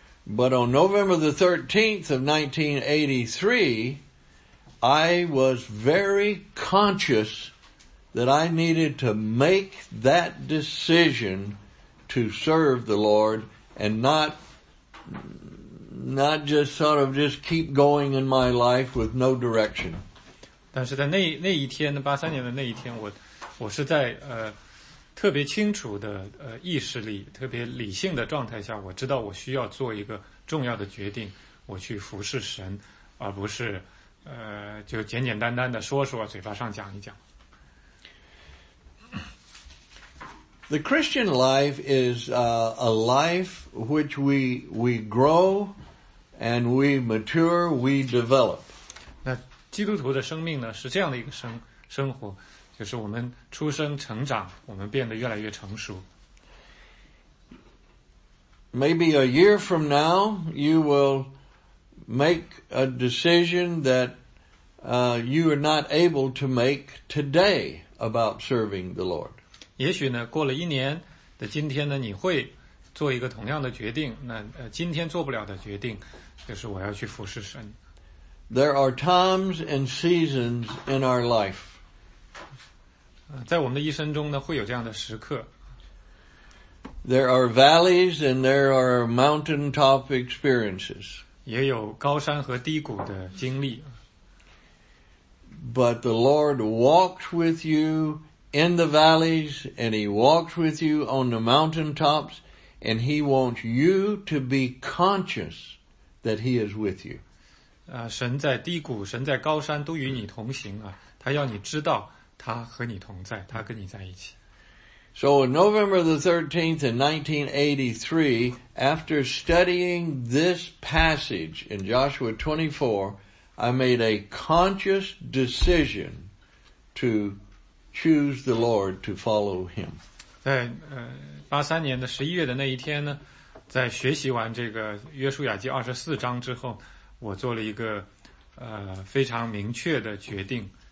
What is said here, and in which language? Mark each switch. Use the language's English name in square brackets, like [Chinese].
[English] But on November the 13th of 1983, I was very conscious that I needed to make that decision to serve the Lord and not just sort of just keep going in my life with no direction. [Chinese] 但是在那一天的83年的那一天，我是在特别清楚的意识里，特别理性的状态下，我知道我需要做一个重要的决定，我去服侍神，而不是就简简单单的说说，嘴巴上讲一讲。 [English] The Christian life is a life which we grow and we mature, we develop. [Chinese] 那基督徒的生命呢，是这样的一个生活。就是我们出生成长，我们变得越来越成熟。 [English] Maybe a year from now, you will make a decision that you are not able to make today about serving the Lord. [Chinese] 也许呢，过了一年的今天呢，你会做一个同样的决定。那今天做不了的决定，就是我要去服侍神。 [English] There are times and seasons in our life. [Chinese] 在我们的一生中呢，会有这样的时刻。 [English] There are valleys and there are mountaintop experiences. [Chinese] 也有高山和低谷的经历。 [English] But the Lord walked with you in the valleys and he walked with you on the mountaintops and he wants you to be conscious that he is with you. [Chinese] 神在低谷，神在高山都与你同行啊，他要你知道他和你同在，他跟你在一起。 [English] So on November the 13th in 1983, after studying this passage in Joshua 24, I made a conscious decision to choose the Lord to follow him. [Chinese] 在83年的11月的那一天呢，在学习完这个约书亚记24章之后，我做了一个非常明确的决定。